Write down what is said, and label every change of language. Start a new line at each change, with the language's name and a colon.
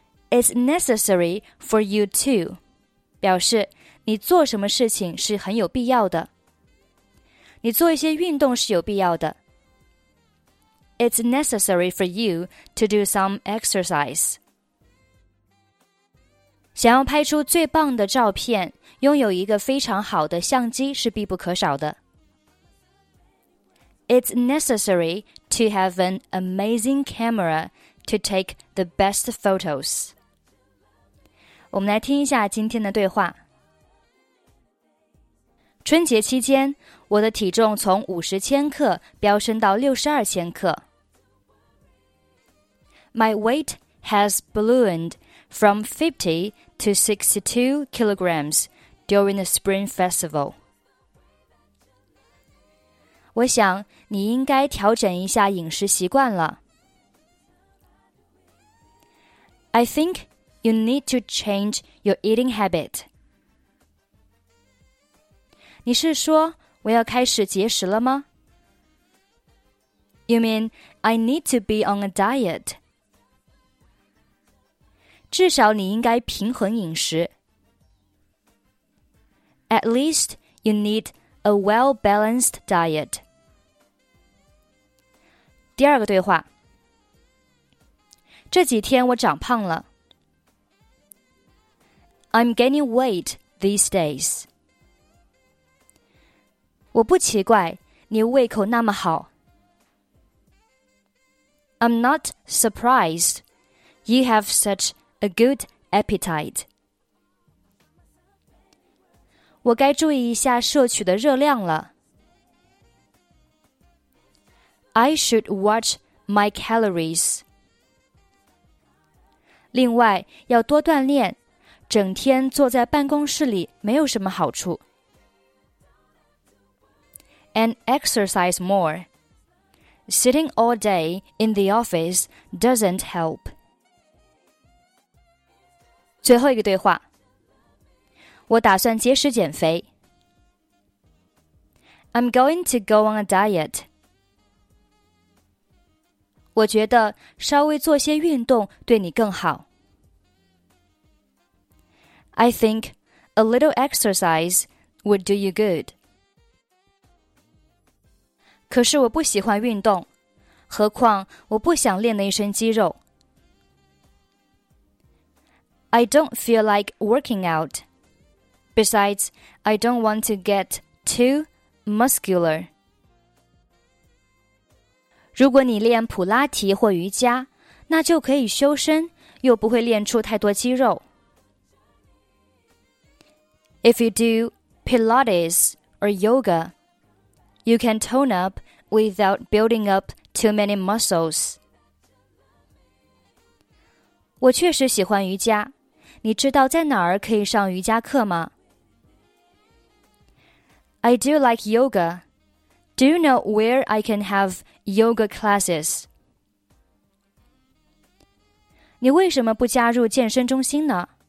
English: It's necessary for you too
Chinese: 表示你做什么事情是很有必要的你做一些运动是有必要的
English: It's necessary for you to do some exercise.
Chinese: 想要拍出最棒的照片，拥有一个非常好的相机是必不可少的。
English: It's necessary to have an amazing camera to take the best photos.
Chinese: 我们来听一下今天的对话。春节期间，我的体重从50千克飙升到62千克。
English: My weight has ballooned from 50 to 62 kilograms during the Spring Festival.
Chinese: 我想你应该调整一下饮食习惯了。
English: I think you need to change your eating habit.
Chinese: 你是说我要开始节食了吗
English: ?You mean I need to be on a diet?
Chinese: 至少你应该平衡饮食。
English: At least you need a well-balanced diet.
Chinese: 第二个对话。这几天我长胖了。
English: I'm gaining weight these days.
Chinese: 我不奇怪你胃口那么好。
English: I'm not surprised you have such A good appetite.
Chinese: 我该注意一下摄取的热量了。
English: I should watch my calories.
Chinese: 另外，要多锻炼，整天坐在办公室里没有什么好处。
English: And exercise more. Sitting all day in the office doesn't help.
Chinese: 最后一个对话，我打算节食减肥。
English: I'm going to go on a diet.
Chinese: 我觉得稍微做些运动对你更好。
English: I think a little exercise would do you good.
Chinese: 可是我不喜欢运动，何况我不想练那一身肌肉。
English: I don't feel like working out. Besides, I don't want to get too muscular.
Chinese: 如果你练普拉提或瑜伽，那就可以修身，又不会练出太多肌肉。
English: If you do Pilates or yoga, you can tone up without building up too many muscles.
Chinese: 我确实喜欢瑜伽。你知道在哪儿可以上瑜伽课吗?
English: I do like yoga. Do you know where I can have yoga classes?
Chinese: 你为什么不加入健身中心呢?